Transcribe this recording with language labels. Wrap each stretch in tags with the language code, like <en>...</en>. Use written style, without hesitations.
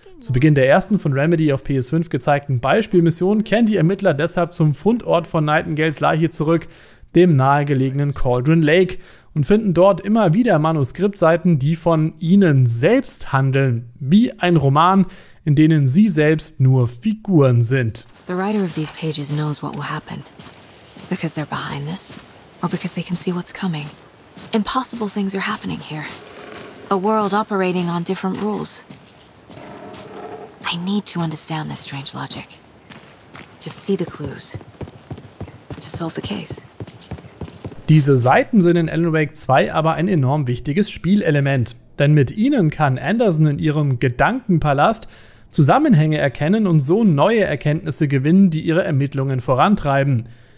<de>Zu Beginn der ersten von Remedy auf PS5 gezeigten Beispielmission kehren die Ermittler deshalb zum Fundort von Nightingales Leiche zurück, dem nahegelegenen Cauldron Lake, und finden dort immer wieder Manuskriptseiten, die von ihnen selbst handeln, wie ein Roman, in denen sie selbst nur Figuren sind.</de> <en>The writer of these pages knows what will happen, because they're behind this, or because they can see what's coming. Impossible things are happening here. A world operating on different rules. I need to understand this strange logic. To see the clues. To solve the case.</en> <de>Diese Seiten sind in Alan Wake 2 aber ein enorm wichtiges Spielelement. Denn mit ihnen kann Anderson in ihrem Gedankenpalast Zusammenhänge erkennen und so neue Erkenntnisse gewinnen, die ihre Ermittlungen vorantreiben.</de>